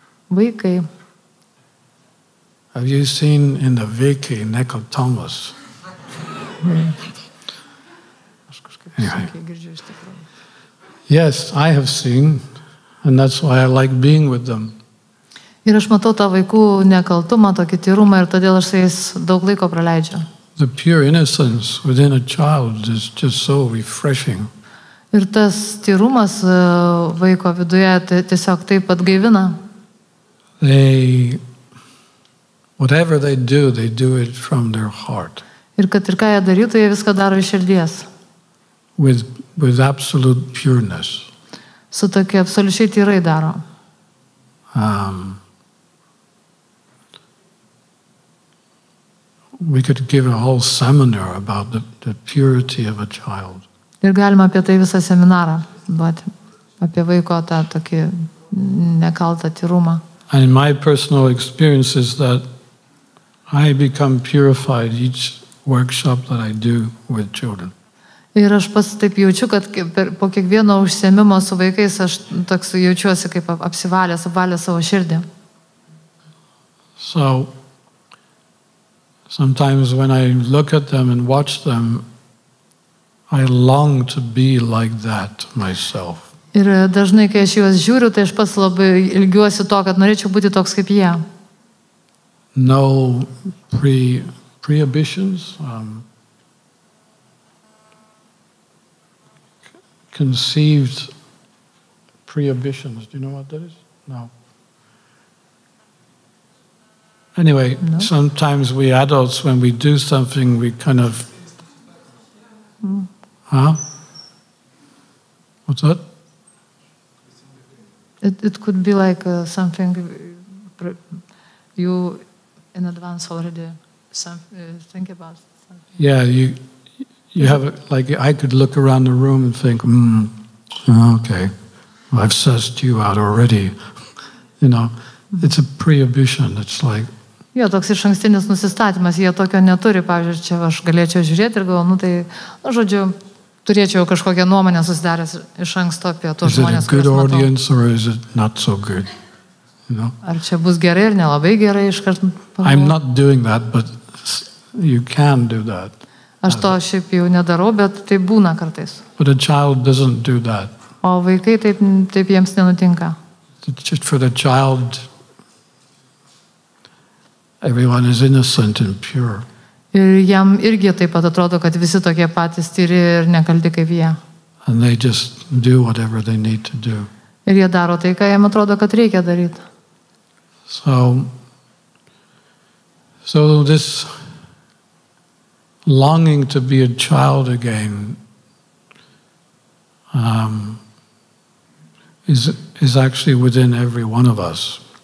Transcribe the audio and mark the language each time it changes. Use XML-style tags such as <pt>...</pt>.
<lt>Vaikai.</lt> <en>Have you seen in the</en> <lt>Vaikai nekaltumas?</lt> <en>Anyway. Yes, I have seen, and that's why I like being with them.</en> <lt>Ir aš matau tą vaikų nekaltumą, tokį tyrumą, ir todėl aš su jais daug laiko praleidžiu.</lt> <en>The pure innocence within a child is just so refreshing.</en> <lt>Ir tas tyrumas vaiko viduje tiesiog taip atgaivina.</lt> <en>Whatever they do it from their heart.</en> <lt>Ir kad ir ką jie darytų, jie viską daro iš širdies.</lt> <en>With absolute pureness.</en> <lt>Su tokia absoliučiai tyrai daro.</lt> <en>We could give a whole seminar about the purity of a child.</en> <lt>Ir galima apie tai visą seminarą duoti. Apie vaiko tą tokį nekaltą tyrumą.</lt> <en>And in my personal experience is that I become purified each workshop that I do with children.</en> <lt>Ir aš pats taip jaučiu, kad po kiekvieno užsiėmimo su vaikais aš toks jaučiuosi kaip apsivalęs savo širdį.</lt> <en>So sometimes when I look at them and watch them, I long to be like that myself.</en> <lt>Ir dažnai kai aš juos žiūriu, tai aš pats labai ilgiuosi to, kad norėčiau būti toks kaip jie.</lt> <en>No prohibitions, conceived prohibitions. Do you know what that is? No. Anyway, no. Sometimes we adults, when we do something, we kind of... Huh? What's that? It could be like something you in advance already... Think about something. Yeah, you have I could look around the room and think, okay, well, I've sussed you out already. You know, it's a prohibition. It's like.</en> <lt>Jo, toks išankstinis nusistatymas, jie tokio neturi, pavyzdžiui, čia aš galėčiau žiūrėti ir galvoju, žodžiu, turėčiau kažkokią nuomonę susidaręs iš anksto apie tuos žmones, kuriuos matau.</lt> <en>Is it a good audience or is it not so good? You know?</en> <lt>Ar čia bus gerai ar nelabai gerai iš karto?</lt> <en>I'm not doing that, but you can do that.</en> <lt>Aš to šiaip jau nedarau, bet tai būna kartais.</lt> <en>But a child doesn't do that.</en> <lt>O vaikai taip jiems nenutinka.</lt> <en>Just for the child, everyone is innocent and pure.</en> <lt>Ir jam irgi taip pat atrodo, kad visi tokie patys tyri ir nekalti kaip jie.</lt> <en>And they just do whatever they need to do.</en> <lt>Ir jie daro tai, ką jam atrodo, kad reikia daryti.</lt> <en>So this longing to be a child again is actually within every one of us.</en>